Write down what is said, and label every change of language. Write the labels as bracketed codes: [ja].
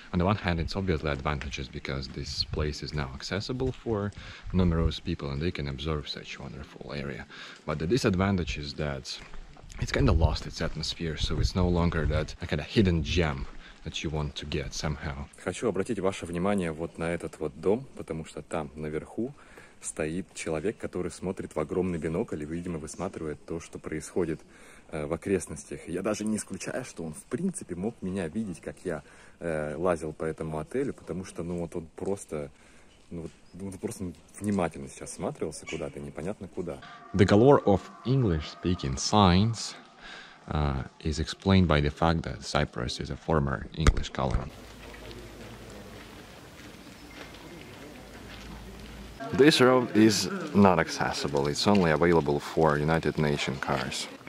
[en] On the one hand, it's obviously advantages because this place is now accessible for numerous people and they can observe such wonderful area. But the disadvantage is that it's kind of lost its atmosphere, so it's no longer that a kind of hidden gem that you want to get somehow. [ru] Хочу обратить ваше внимание вот на этот вот дом, потому что там наверху стоит человек, который смотрит в огромный бинокль и, видимо, высматривает то, что происходит в окрестностях. Я даже не исключаю, что он, в принципе, мог меня видеть, как я лазил по этому отелю, потому что, ну, вот он просто, просто внимательно сейчас смотрелся куда-то, непонятно куда. [en] The galore of English-speaking signs is explained by the fact that Cyprus is a former English colony. This road is not accessible, it's only available for United Nations cars.